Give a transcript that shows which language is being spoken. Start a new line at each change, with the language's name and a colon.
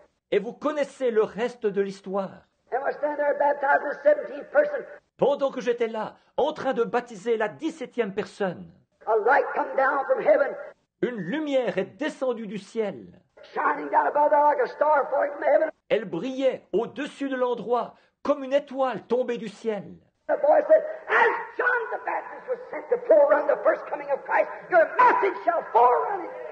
French: Et vous connaissez le reste de l'histoire.
English: And we're standing there baptizing the 17th person.
French: Pendant que j'étais là, en train de baptiser la 17e personne,
English: a light come down from heaven.
French: Une lumière est descendue du ciel.
English: Shining down above there like a star falling from heaven.
French: Elle brillait au-dessus de l'endroit comme une étoile tombée du ciel.
English: The boy said, as John the Baptist was sent to forerun the first coming of Christ, your message shall forerun it.